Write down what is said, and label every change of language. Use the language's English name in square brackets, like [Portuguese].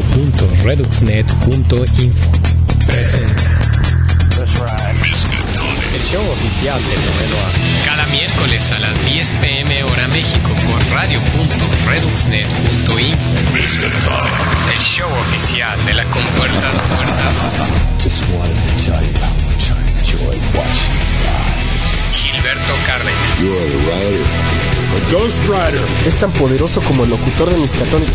[Spanish] Radio.reduxnet.info presenta el show oficial del noveno arte. Cada miércoles a las 10 p.m. hora México por radio.reduxnet.info. El show oficial de la compuerta de puertas. [English] Just wanted to tell you how much I enjoy watching you die. Gilberto Cárdenas. You are a writer. A ghost writer. [Spanish] Es tan poderoso como el locutor de Miskatonic.